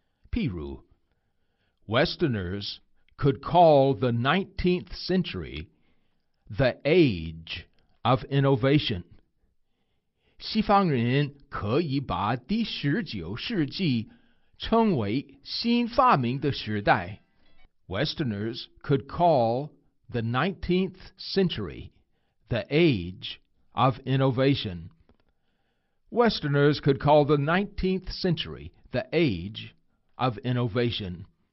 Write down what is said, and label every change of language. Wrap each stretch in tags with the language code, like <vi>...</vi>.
<zh>譬如</zh> <en>Westerners could call the 19th century the age of innovation.</en> <zh>西方人可以把第十九世纪称为新发明的时代。</zh> <en>Westerners could call the 19th century the age of innovation. Westerners could call the 19th century the age of innovation.</en>